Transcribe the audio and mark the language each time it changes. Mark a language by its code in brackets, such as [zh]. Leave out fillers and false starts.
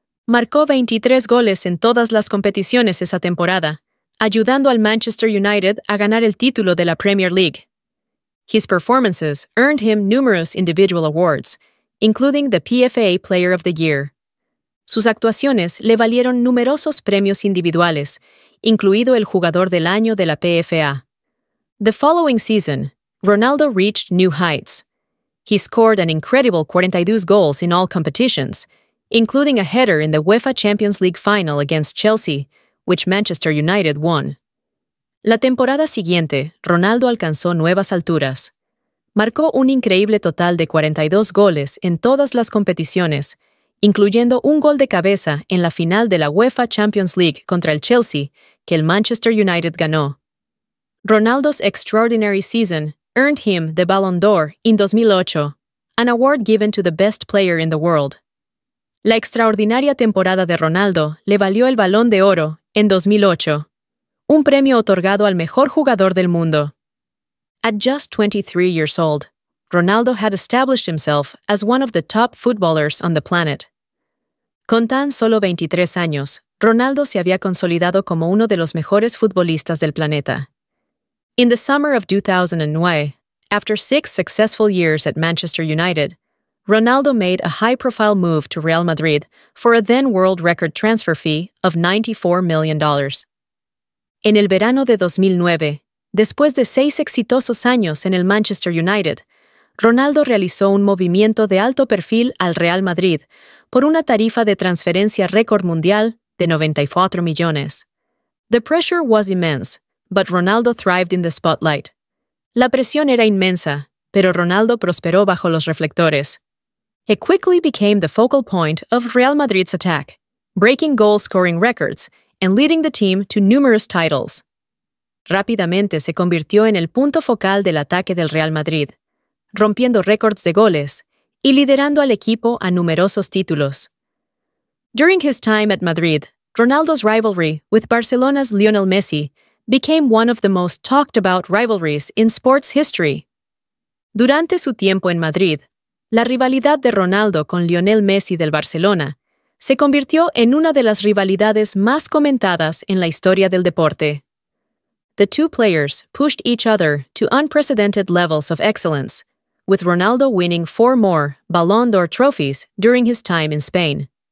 [es] Marcó 23 goles en todas las competiciones esa temporada, ayudando al Manchester United a ganar el título de la Premier League. [en] His performances earned him numerous individual awards, including the PFA Player of the Year. [es] Sus actuaciones le valieron numerosos premios individuales, incluido el Jugador del Año de la PFA. [en] The following season, Ronaldo reached new heights. He scored an incredible 42 goals in all competitions, including a header in the UEFA Champions League final against Chelsea, which Manchester United won. [es] La temporada siguiente, Ronaldo alcanzó nuevas alturas. Marcó un increíble total de 42 goles en todas las competiciones, incluyendo un gol de cabeza en la final de la UEFA Champions League contra el Chelsea, que el Manchester United ganó. [en] Ronaldo's extraordinary season earned him the Ballon d'Or in 2008, an award given to the best player in the world. [es] La extraordinaria temporada de Ronaldo le valió el Balón de Oro en 2008, un premio otorgado al mejor jugador del mundo. [en] At just 23 years old, Ronaldo had established himself as one of the top footballers on the planet. [es] Con tan solo 23 años, Ronaldo se había consolidado como uno de los mejores futbolistas del planeta. [en] In the summer of 2009, after 6 successful years at Manchester United, Ronaldo made a high-profile move to Real Madrid for a then-world record transfer fee of $94 million. [es] En el verano de 2009, después de 6 exitosos años en el Manchester United, Ronaldo realizó un movimiento de alto perfil al Real Madrid por una tarifa de transferencia récord mundial de 94 millones. [en] The pressure was immense, but Ronaldo thrived in the spotlight. [es] La presión era inmensa, pero Ronaldo prosperó bajo los reflectores. [en] He quickly became the focal point of Real Madrid's attack, breaking goal-scoring records and leading the team to numerous titles. [es] Rápidamente se convirtió en el punto focal del ataque del Real Madrid, rompiendo récords de goles y liderando al equipo a numerosos títulos. [en] During his time at Madrid, Ronaldo's rivalry with Barcelona's Lionel Messi became one of the most talked-about rivalries in sports history. [es] Durante su tiempo en Madrid, la rivalidad de Ronaldo con Lionel Messi del Barcelona se convirtió en una de las rivalidades más comentadas en la historia del deporte. [en] The two players pushed each other to unprecedented levels of excellence, with Ronaldo winning 4 more Ballon d'Or trophies during his time in Spain.